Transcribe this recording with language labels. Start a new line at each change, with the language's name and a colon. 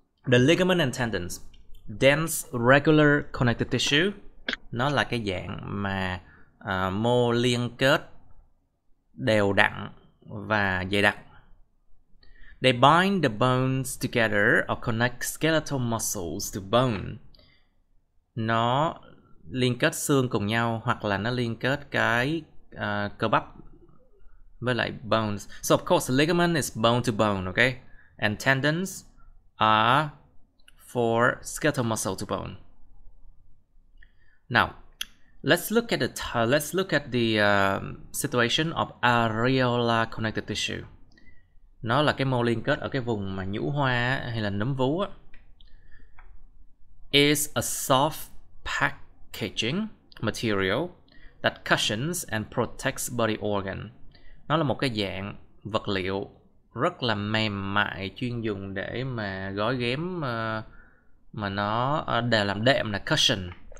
English: The ligament and tendons, dense regular connective tissue.
Vietnamese: Nó là cái dạng mà mô liên kết đều đặn và dày đặc.
English: They bind the bones together or connect skeletal muscles to bone.
Vietnamese: Nó liên kết xương cùng nhau hoặc là nó liên kết cái cơ bắp với lại bones.
English: So of course, the ligament is bone to bone, okay? And tendons are for skeletal muscle to bone. Now, let's look at the situation of areolar connective tissue.
Vietnamese: Nó là cái mô liên kết ở cái vùng mà nhũ hoa hay là nấm vú á.
English: Is a soft packaging material that cushions and protects body organ.
Vietnamese: Nó là một cái dạng vật liệu rất là mềm mại chuyên dùng để mà gói ghém mà nó để làm đệm là cushion.